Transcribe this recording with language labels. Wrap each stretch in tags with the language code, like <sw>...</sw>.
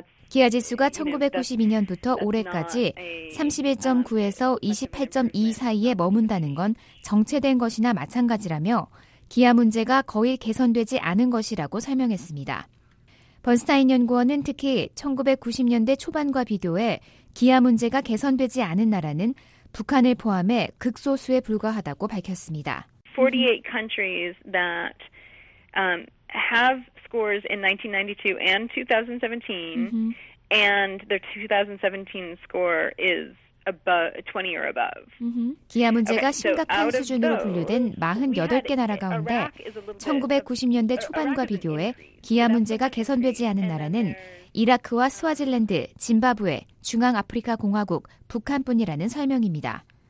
<ko>기아 지수가 1992년부터 올해까지 31.9에서 28.2 사이에 머문다는 건 정체된 것이나 마찬가지라며 기아 문제가 거의 개선되지 않은 것이라고 설명했습니다. 번스타인 연구원은 특히 1990년대 초반과 비교해 기아 문제가 개선되지 않은 나라는 북한을 포함해 극소수에 불과하다고 밝혔습니다.</ko> <en>48 countries that have scores in 1992 and 2017 and their 2017 score is above 20 or above.</en> <ko>기아 문제가 심각한 수준으로 분류된 48개 나라 가운데 1990년대 초반과 비교해 기아 문제가 개선되지 않은 나라는 이라크와 스와질랜드, 짐바브웨, 중앙아프리카 공화국, 북한뿐이라는 설명입니다.</ko>